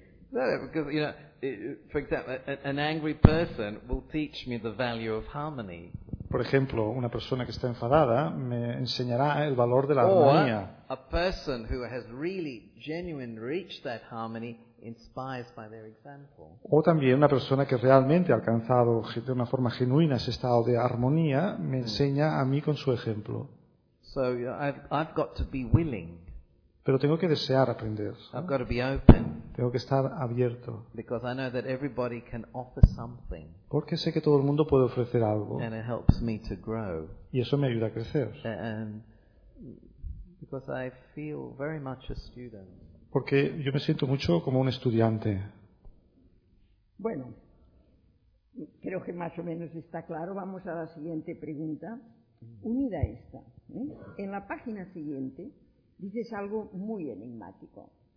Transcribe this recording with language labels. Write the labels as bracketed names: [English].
[English] No, because you know, for example, an angry person will teach me the value of harmony. [Spanish] Por ejemplo, una persona que está enfadada me enseñará el valor de la armonía. [English] Or a person who has really genuinely reached that harmony. Inspired by their example. [Spanish] O también una persona que realmente ha alcanzado de una forma genuina ese estado de armonía me enseña a mí con su ejemplo. [English] So I've got to be willing. [Spanish] Pero tengo que desear aprender. [English] I've got to be open. [Spanish] Tengo que estar abierto. [English] Because I know that everybody can offer something. [Spanish] Porque sé que todo el mundo puede ofrecer algo. [English] And it helps me to grow. [Spanish] Y eso me ayuda a crecer. [English] And because I feel very much a student. [Spanish] Porque yo me siento mucho como un estudiante. Bueno, creo que más o menos está claro. Vamos a la siguiente pregunta. Unida a esta, ¿eh? En la página siguiente dices algo muy enigmático.